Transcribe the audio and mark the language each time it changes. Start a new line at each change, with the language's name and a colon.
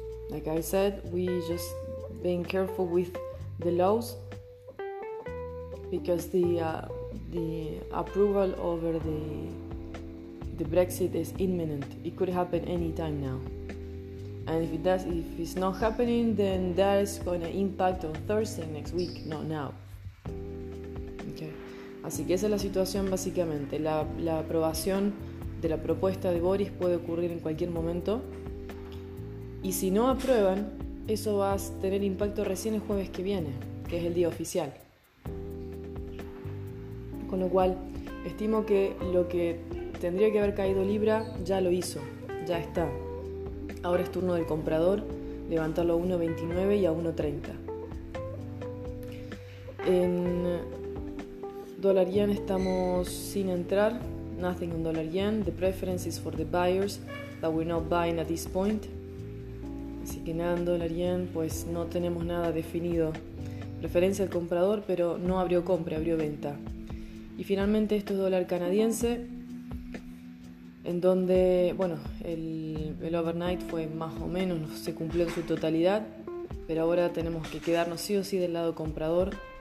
English: Like I said, we just being careful with the lows, because the approval over the Brexit is imminent. It could happen any time now. And if it's not happening, then that is going to impact on Thursday next week, not now.
Spanish: Okay. Así que esa es la situación básicamente. La aprobación de la propuesta de Boris puede ocurrir en cualquier momento. Y si no aprueban, eso va a tener impacto recién el jueves que viene, que es el día oficial. Con lo cual, estimo que lo que tendría que haber caído libra ya lo hizo, ya está. Ahora es turno del comprador, levantarlo a 1.29 y a 1.30. En dólar yen estamos sin entrar,
English: nothing on dólar yen. The preference is for the buyers that we're not buying at this point.
Spanish: Así que nada en dólar yen, pues no tenemos nada definido. Preferencia al comprador, pero no abrió compra, abrió venta. Y finalmente esto es dólar canadiense, en donde, bueno, el overnight fue más o menos, no se cumplió en su totalidad, pero ahora tenemos que quedarnos sí o sí del lado comprador.